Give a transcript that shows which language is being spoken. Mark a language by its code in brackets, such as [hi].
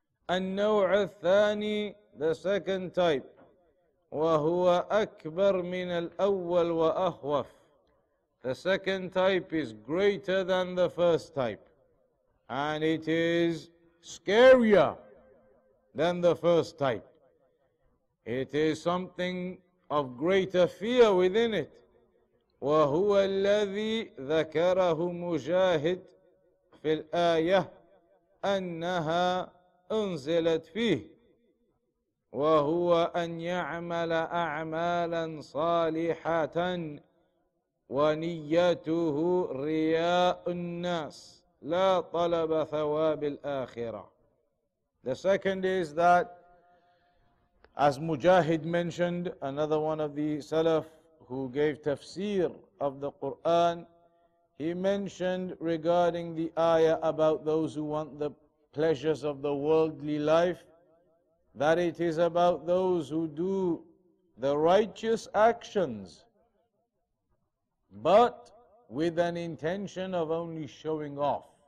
[ar] النَّوْعَ الثَّانِي, [en] the second type. [ar] وَهُوَ أَكْبَرُ مِنَ الْأَوَّلِ وَأَخْوَفُ. [en] The second type is greater than the first type, and it is scarier than the first type. It is something of greater fear within it. [ar] وهو الذي ذكره مجاهد في الآية أنها أنزلت فيه وهو أن يعمل أعمالا صالحة ونيته رياء الناس لا طلب ثواب الآخرة. [en] The second is that, as Mujahid mentioned, another one of the Salaf who gave tafsir of the Quran, he mentioned regarding the ayah about those who want the pleasures of the worldly life, that it is about those who do the righteous actions, but with an intention of only showing off.